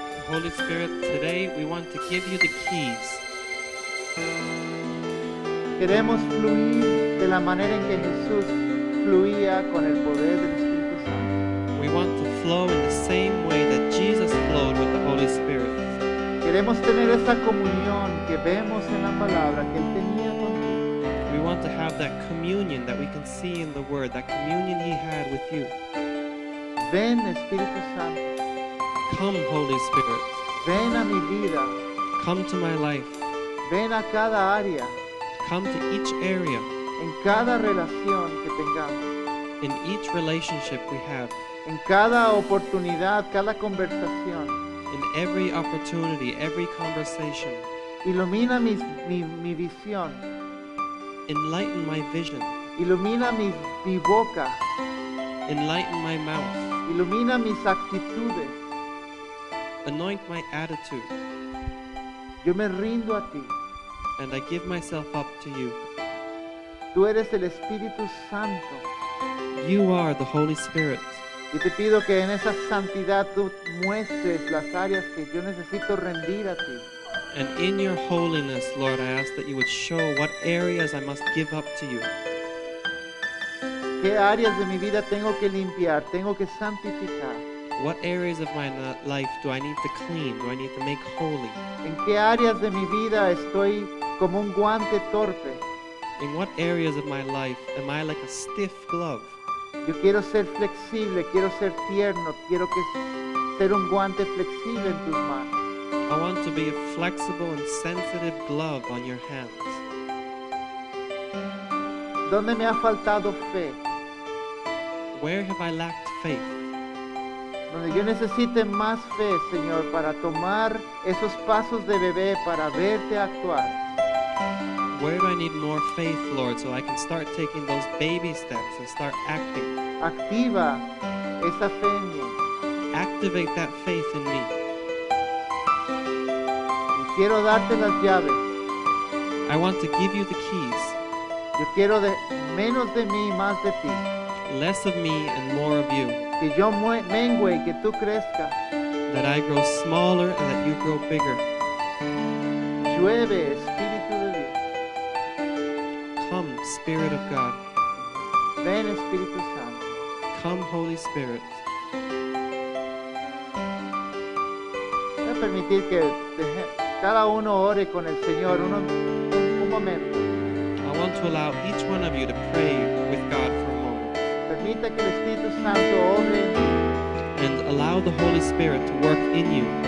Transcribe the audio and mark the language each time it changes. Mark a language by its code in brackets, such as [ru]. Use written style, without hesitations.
[en] Holy Spirit, today we want to give you the keys. [es] Queremos fluir de la manera en que Jesús fluía con el poder del Espíritu Santo. [en] We want to flow in the same way that Jesus flowed with the Holy Spirit. [es] Queremos tener esa comunión que vemos en la palabra que Él tenía con ti. [en] We want to have that communion that we can see in the Word, that communion He had with you. [es] Ven, Espíritu Santo. [en] Come, Holy Spirit. [es] Ven a mi vida. [en] Come to my life. [es] Ven a cada área. [en] Come to each area. [es] En cada relación que tengamos. [en] In each relationship we have. [es] En cada oportunidad, cada conversación. [en] In every opportunity, every conversation. [es] Ilumina mi visión. [en] Enlighten my vision. [es] Ilumina mi boca. [en] Enlighten my mouth. [es] Ilumina mis actitudes. [en] Anoint my attitude. [es] Yo me rindo a ti. [en] And I give myself up to you. [es] Tú eres el Espíritu Santo. [en] You are the Holy Spirit. [es] Y te pido que en esa santidad tú muestres las áreas que yo necesito rendir a ti. [en] And in your holiness, Lord, I ask that you would show what areas I must give up to you. [es] ¿Qué áreas de mi vida tengo que limpiar? Tengo que santificar. [en] What areas of my life do I need to clean? Do I need to make holy? [es] ¿En qué áreas de mi vida estoy como un guante torpe? [en] In what areas of my life am I like a stiff glove? [es] Yo quiero ser flexible, quiero ser tierno, quiero que ser un guante flexible en tus manos. [en] I want to be a flexible and sensitive glove on your hands. [es] ¿Dónde me ha faltado fe? [en] Where have I lacked faith? [es] Donde yo necesite más fe, Señor, para tomar esos pasos de bebé, para verte actuar. [en] Where do I need more faith, Lord, so I can start taking those baby steps and start acting? [es] Activa esa fe en mí. [en] Activate that faith in me. [es] Y quiero darte las llaves. [en] I want to give you the keys. [es] Yo quiero de menos de mí, más de ti. [en] Less of me and more of you. [es] Que yo mengue y que tú crezca. [en] That I grow smaller and that you grow bigger. [es] Llueve, Espíritu de Dios. [en] Come, Spirit of God. [es] Ven, Espíritu Santo. [en] Come, Holy Spirit. [es] Voy a permitir que cada uno ore con el Señor un momento. [en] I want to allow each one of you to pray with God. [es] Permita que el Espíritu Santo obre en ti. [en] And allow the Holy Spirit to work in you.